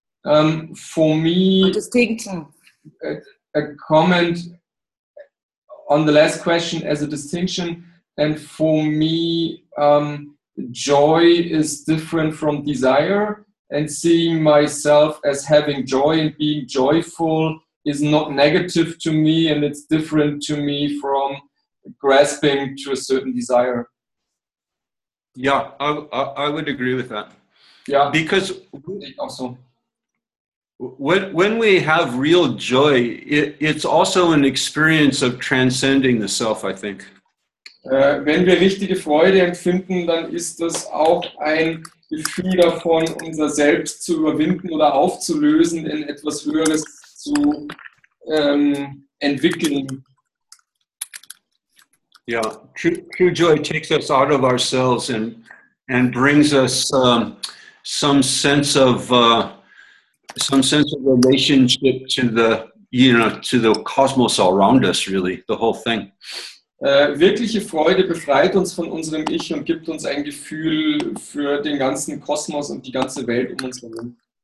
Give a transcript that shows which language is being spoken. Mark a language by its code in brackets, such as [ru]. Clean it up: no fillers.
[en] For me, a comment on the last question as a distinction, and for me, joy is different from desire, and seeing myself as having joy and being joyful is not negative to me, and it's different to me from grasping to a certain desire. Yeah, I would agree with that. Yeah, because also. When we have real joy, it's also an experience of transcending the self, I think. [de] Wenn wir richtige Freude empfinden, dann ist das auch ein Gefühl davon, unser Selbst zu überwinden oder aufzulösen, in etwas Höheres zu entwickeln. [en] Yeah, true joy takes us out of ourselves and brings us some sense of relationship to the, you know, to the cosmos around us, really, the whole thing. [de] Wirkliche Freude befreit uns von unserem Ich und gibt uns ein Gefühl für den ganzen Kosmos und die ganze Welt um uns herum.